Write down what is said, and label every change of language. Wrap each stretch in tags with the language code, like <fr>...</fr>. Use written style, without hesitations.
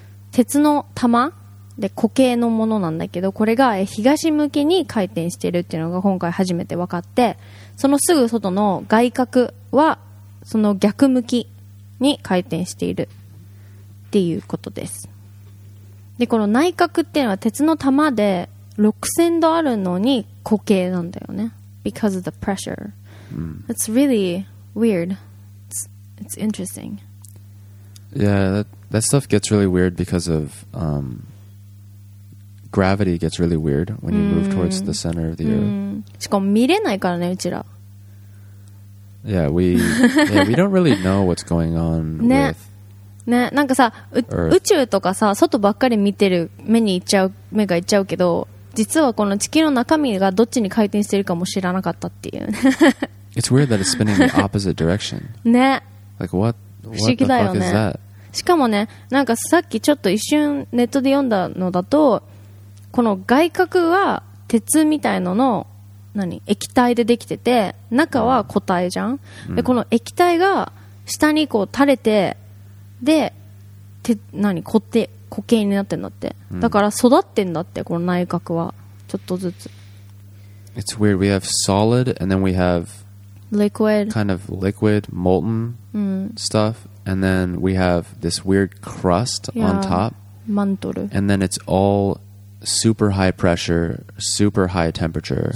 <ja>鉄の玉で固形のものなんだけどこれが東向きに回転しているっていうのが今回初めて分かってそのすぐ外の外角はその逆向きに回転しているっていうことですでこの内角っていうのは鉄の玉で6000度あるのに固形なんだよね</ja> <en>because of the pressure、 mm. it's really weird it's interesting yeah that stuff gets really weird because of Gravity gets really weird when you move towards the center of the earth.</en> <ja>しかも見れないからね、うちら。</ja> <en>Yeah, we don't really know what's going on with</en> <ja>ね、なんかさ、宇宙とかさ、外ばっかり見てる目に行っちゃう、目が行っちゃうけど、実はこの地球の中身がどっちに回転してるかも知らなかったっていう。</ja> <en>It's weird that it's spinning the opposite direction. ね。 Like what the fuck is that?</en> <ja>しかもね、なんかさっきちょっと一瞬ネットで読んだのだと、この外殻は鉄みたいのの何液体でできてて中は固体じゃん、うん、でこの液体が下にこう垂れてで何固定固形になってんだって、うん、だから育ってんだってこの内殻はちょっとずつ</ja> <en>It's weird we have solid and then we have liquid kind of liquid molten、うん、 stuff and then we have this weird crust on top</en> <ja>マントル</ja> <en>and then it's allSuper high pressure, super high temperature,</en>